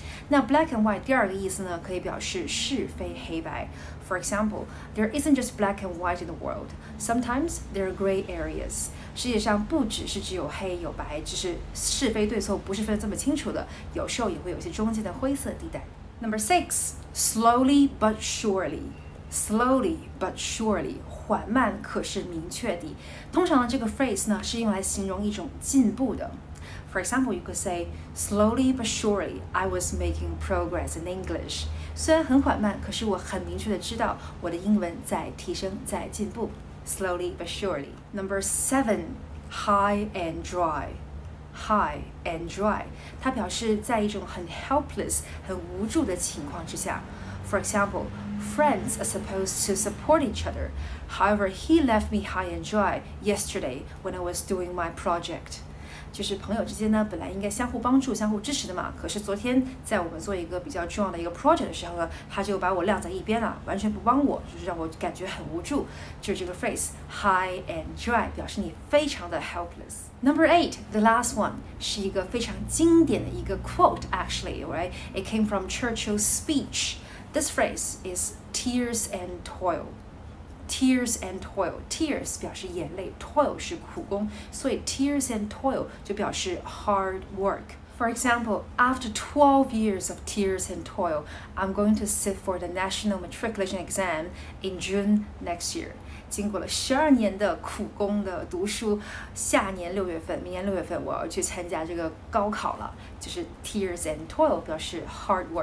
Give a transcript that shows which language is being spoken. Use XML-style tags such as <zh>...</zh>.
<zh>那 black and white 第二个意思呢，可以表示是非黑白。</zh> <en>For example， there isn't just black and white in the world， sometimes there are gray areas，</en> <zh>世界上不只是只有黑有白，只是是非对错不是分得这么清楚的，有时候也会有些中间的灰色地带。</zh> <en>Number six， slowly but surely， slowly but surely，</en> <zh>缓慢可是明确地。通常这个 phrase 呢，是用来形容一种进步的。</zh> <en>For example， you could say slowly but surely I was making progress in English，</en> <zh>虽然很缓慢，可是我很明确地知道我的英文在提升，在进步。</zh> <en>Slowly but surely。 Number seven， high and dry，high and dry，</en> <zh>它表示在一种很 helpless 很无助的情况之下。</zh> <en>For example， friends are supposed to support each other， however he left me high and dry yesterday when I was doing my project，</en> <zh>就是朋友之间呢本来应该相互帮助相互支持的嘛，可是昨天在我们做一个比较重要的一个 project 的时候呢，他就把我晾在一边了，完全不帮我，就是让我感觉很无助，就是这个 phrase</zh> <en>high and dry</en> <zh>表示你非常的 helpless。</zh> <en>Number 8, the last one</en> <zh>是一个非常经典的一个</zh> <en>quote actually, right? It came from Churchill's speech. This phrase is tears and toil. Tears and toil. Tears</en> <zh>表示眼泪，</zh> <en>toil</en> <zh>是苦工，所以</zh> <en>tears and toil</en> <zh>就表示</zh> <en>hard work. For example, after 12 years of tears and toil, I'm going to sit for the national matriculation exam in June next year.</en> <zh>经过了12年的苦工的读书，下年6月份，明年6月份我要去参加这个高考了，就是</zh> <en>tears and toil</en> <zh>表示</zh> <en>hard work.</en>